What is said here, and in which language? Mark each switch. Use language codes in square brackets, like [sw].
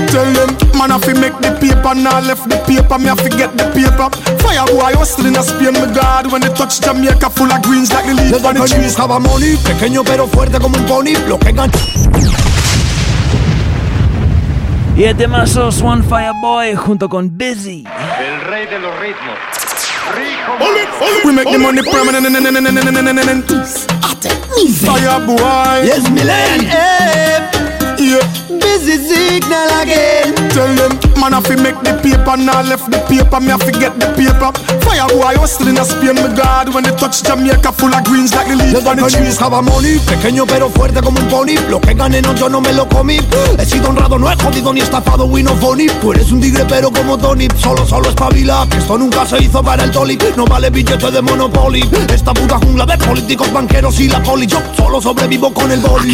[en] Tell them, man, I fi make the paper. Now nah, left the paper, me I fi get the paper. Fire boy, hustle in a spin, my God. When they touch Jamaica, full of greens like the leaf. [es] Desde que yo buscaba money, pequeño pero fuerte como un pony. Lo que gancho. Y el tema sos One Fire Boy junto con Busy. El rey de los ritmos. [en] We make the money permanent. Fire boy. Yes, Milan. Busy signal again. Tell them, man, I fi make the paper. Now left the paper, me I fi get the paper. Fire boy, hustle in a spin, my God. When they touch Jamaica, full of greens like the leaves. [es] Desde que yo buscaba money, pequeño pero fuerte como un pony. Lo que gané, no, yo no me lo comí. He sido honrado, no he jodido ni estafado, [en] we no funny. [es] Tú eres un tigre pero como Tony. Solo espabila, que esto nunca se hizo para el Dolly. No vale billete de Monopoly. Esta puta jungla de políticos, banqueros y la poli. Yo solo sobrevivo con el Dolly.